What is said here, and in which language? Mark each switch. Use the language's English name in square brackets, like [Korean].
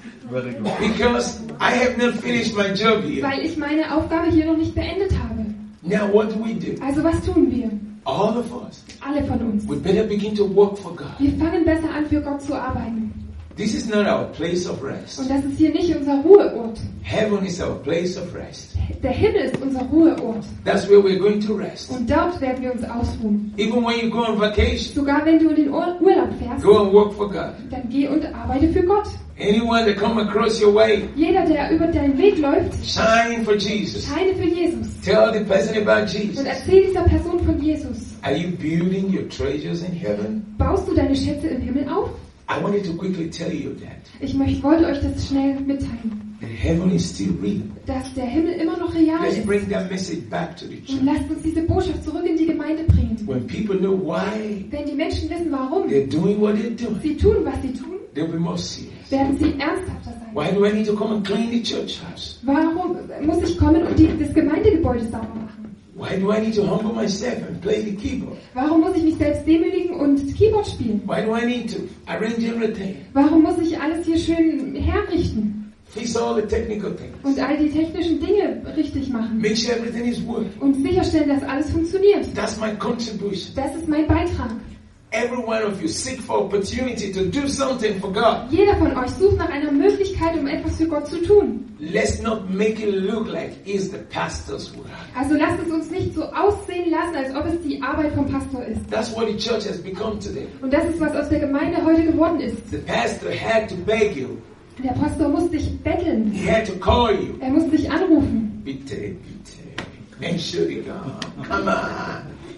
[English] Because I have not finished my job here. [German] Weil ich meine Aufgabe hier noch nicht beendet habe. [English] Now what do we do? [German] Also was tun wir? [English] All of us. [German] Alle von uns. [English] We better begin to work for God. [German] Wir fangen besser an, für Gott zu arbeiten. [English] This is not our place of rest. [German] Und das ist hier nicht unser Ruheort. [English] Heaven is our place of rest. [German] Der Himmel ist unser Ruheort. [English] That's where we're going to rest. [German] Und dort werden wir uns ausruhen. [English] Even when you go on vacation, [German] sogar wenn du in den Urlaub fährst, [English] go and work for God. [German] Dann geh und arbeite für Gott. [English] Anyone that come across your way, [German] jeder, der über deinen Weg läuft, [English] shine for Jesus. [German] Scheine für Jesus. [English] Tell the person about Jesus. [German] Und erzähl dieser Person von Jesus. [English] Are you building your treasures in heaven? [German] Baust du deine Schätze im Himmel auf? [English] I wanted to quickly tell you that. [German] Ich wollte euch das schnell mitteilen. [English] That heaven is still real. [German] Dass der Himmel immer noch real [English] Let's [German] ist. [English] Bring that message back to the church. [German] Und lasst uns diese Botschaft zurück in die Gemeinde bringen. [English] When people know why, [German] wenn die Menschen wissen, warum, [English] they're doing what they're doing, [German] sie tun, was sie tun, [English] they'll be more serious. [German] Werden sie ernsthafter sein. [English] Why do I need to come and clean the church house? [German] Warum muss ich kommen und das Gemeindegebäude sauber machen? [English] Why do I need to humble myself and play the keyboard? [German] Warum muss ich mich selbst demütigen und Keyboard spielen? [English] Why do I need to arrange everything? [German] Warum muss ich alles hier schön herrichten? [English] Fix all the technical things. [German] Und all die technischen Dinge richtig machen. [English] Make sure everything is working. [German] Und sicherstellen, dass alles funktioniert. [English] That's my contribution. [German] Das ist mein Beitrag. [English] Every one of you seek for opportunity to do something for God. [German] Jeder von euch sucht nach einer Möglichkeit, um etwas für Gott zu tun. [English] Let's not make it look like it's the pastor's work. [German] Also lasst es uns nicht so aussehen lassen, als ob es die Arbeit vom Pastor ist. [English] That's what the church has become today. [German] Und das ist, was aus der Gemeinde heute geworden ist. [English] The pastor had to beg you. [German] Der Pastor muss dich betteln. [English] He had to call you. [German] Er muss dich anrufen. Bitte, bitte. Entschuldigung. [English] Come on.